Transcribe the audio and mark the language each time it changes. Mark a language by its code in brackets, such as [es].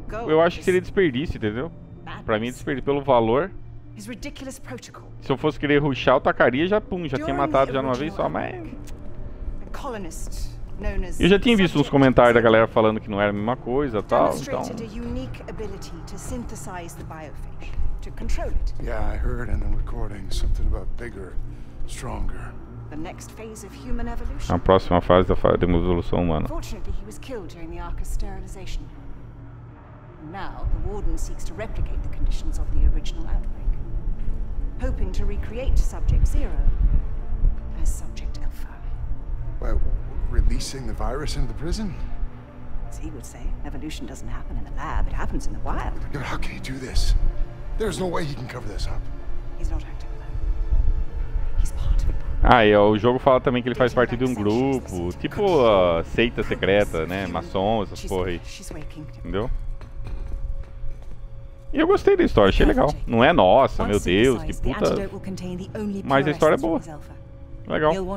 [pt] Eu acho que seria desperdício, entendeu? Pra mim é desperdício pelo valor. Se eu fosse querer rushar, eu tacaria já, pum, já tinha matado já numa vez só, mas... [en] colonist known as. [pt] Eu já tinha visto uns comentários da galera falando que não era a mesma coisa, tal, então. [en] A unique ability to synthesize the biophage, to control it. Yeah, I heard in the recording something about bigger, stronger. The next phase of human evolution. [pt] A próxima fase da evolução humana. [en] Fortunately, he was killed during the Ark of sterilization. Now, the warden seeks to replicate the conditions of the original outbreak, hoping to recreate Subject Zero as Subject Alpha. Well, releasing the virus into the prison? As he would say, evolution doesn't happen in the lab, it happens in the wild. But how can he do this? There's no way he can cover this up. He's not active alone. He's part of a. [pt] Ah, e o jogo fala também que ele faz parte de um grupo, tipo seita secreta, né, maçom, essas porra aí, entendeu? E eu gostei da história, achei legal. Não é nossa, meu Deus, que puta, mas a história é boa, legal.